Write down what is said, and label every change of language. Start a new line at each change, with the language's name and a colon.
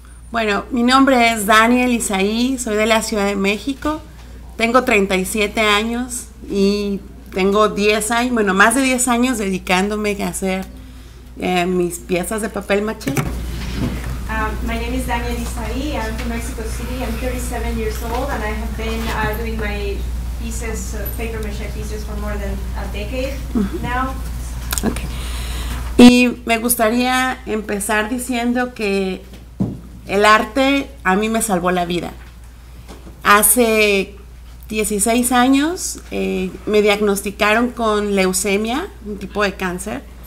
Spanish: Bueno, mi nombre es Daniel Isaí, soy de la Ciudad de México, tengo 37 años y tengo 10 años, bueno, más de 10 años dedicándome a hacer mis piezas de papel maché.
English: My name is Daniel Isaí, I'm from Mexico City, I'm 37 years old and I have been doing my pieces, paper maché pieces for more than a decade now.
Spanish: Okay. Y me gustaría empezar diciendo que el arte a mí me salvó la vida. Hace 16 años me diagnosticaron con leucemia, un tipo de cáncer.